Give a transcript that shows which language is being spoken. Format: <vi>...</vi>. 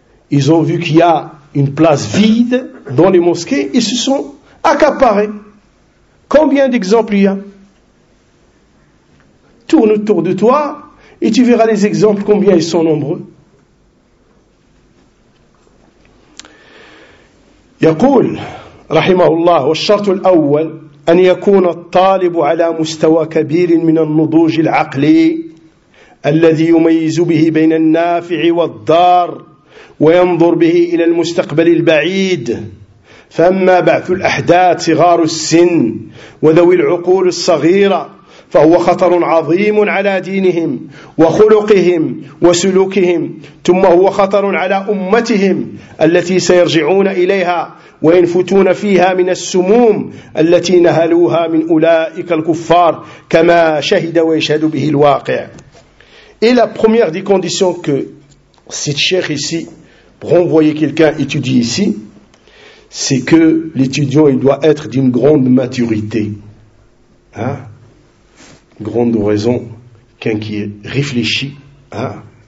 <fr>Ils ont vu qu'il y a une place vide dans les mosquées, ils se sont accaparés. Combien d'exemples il y a? Tourne autour de toi et tu verras les exemples, combien ils sont nombreux.</fr> <ar>يقول رحمه الله والشرط الأول أن يكون الطالب على مستوى كبير من النضوج العقلي الذي يميز به بين النافع والضار وينظر به إلى المستقبل البعيد. فأما بعث الأحداث صغار السن وذوي العقول الصغيرة فهو خطر عظيم على دينهم وخلقهم وسلوكهم ثم هو خطر على أمتهم التي سيرجعون إليها وينفتون فيها من السموم التي نهلوها من أولئك الكفار كما شهد ويشهد به الواقع.</ar> <fr>Et la première des conditions que cette cheikh ici pour envoyer quelqu'un étudier ici, c'est que l'étudiant, il doit être d'une grande maturité. Hein? Grande raison, quelqu'un qui réfléchit. Hein?</fr>